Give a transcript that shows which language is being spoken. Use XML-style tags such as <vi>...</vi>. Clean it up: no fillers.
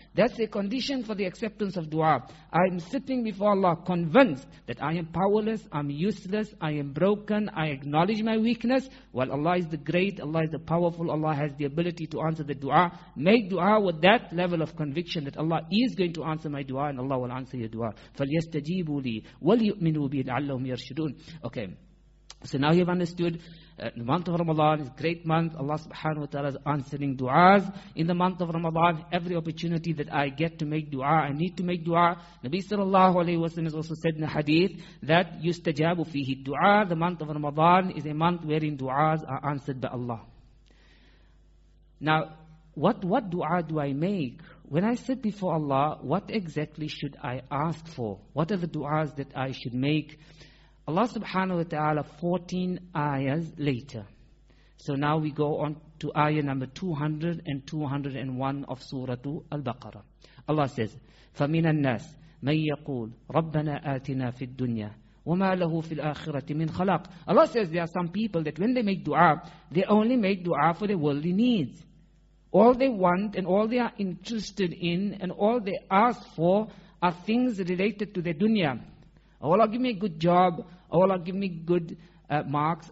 <en>That's a condition for the acceptance of dua. I'm sitting before Allah convinced that I am powerless, I'm useless, I am broken, I acknowledge my weakness. While Allah is the great, Allah is the powerful, Allah has the ability to answer the dua. Make dua with that level of conviction that Allah is going to answer my dua and Allah will answer your dua.</en> <ar>فَلْيَسْتَجِيبُوا لِي وَلْيُؤْمِنُوا بِي لَعَلَّهُمْ يَرْشُدُونَ</ar> <en>Okay. So now you've understood the month of Ramadan is a great month. Allah subhanahu wa ta'ala is answering du'as. In the month of Ramadan, every opportunity that I get to make du'a, I need to make du'a. Nabi sallallahu alayhi wa sallam has also said in the hadith that</en> <ar>yustajabu fihi du'a.</ar> <en>The month of Ramadan is a month wherein du'as are answered by Allah. Now, what du'a do I make? When I sit before Allah, what exactly should I ask for? What are the du'as that I should make? Allah subhanahu wa ta'ala, 14 ayahs later. So now we go on to ayah number 200 and 201 of Suratu Al-Baqarah. Allah says,</en> <ar>فَمِنَ النَّاسِ مَنْ يَقُولُ رَبَّنَا آتِنَا فِي الدُّنْيَا وَمَا لَهُ فِي الْآخِرَةِ مِنْ خَلَقٍ.</ar> <en>Allah says there are some people that when they make dua, they only make dua for their worldly needs. All they want and all they are interested in and all they ask for are things related to their dunya. Oh Allah, give me a good job. Oh Allah, give me good marks.</en>